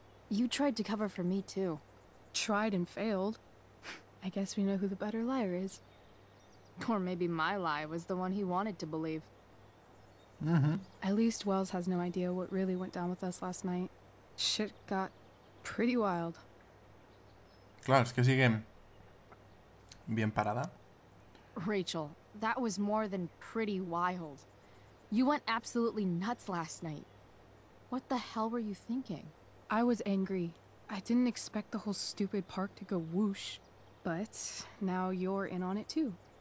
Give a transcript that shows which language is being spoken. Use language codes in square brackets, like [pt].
[en] You tried to cover for me too. Tried and failed. I guess we know who the better liar is. Or maybe my lie was the one he wanted to believe. Mm-hmm. At least Wells has no idea what really went down with us last night. Shit got pretty wild. [es] Claro, es que sigue bien parada. [en] Rachel, that was more than pretty wild. You went absolutely nuts last night. What the hell were you thinking? I was angry. I didn't expect the whole stupid park to go whoosh. But now you're in on it too.